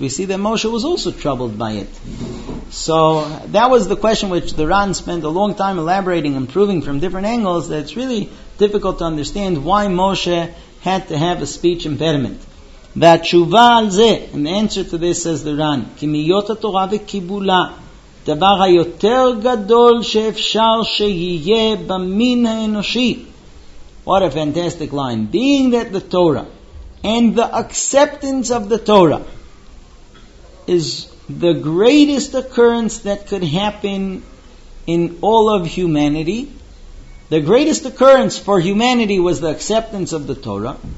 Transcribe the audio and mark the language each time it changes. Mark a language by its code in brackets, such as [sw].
[en] We see that Moshe was also troubled by it. So that was the question which the Ran spent a long time elaborating and proving from different angles, that it's really difficult to understand why Moshe had to have a speech impediment. [he] והתשובה על זה, [en] and the answer to this says the Ran, [he] כי מיות התורה וקיבולה, דבר היותר גדול שאפשר שיהיה במין האנושי. [en] What a fantastic line. Being that the Torah and the acceptance of the Torah is the greatest occurrence that could happen in all of humanity. The greatest occurrence for humanity was the acceptance of the Torah.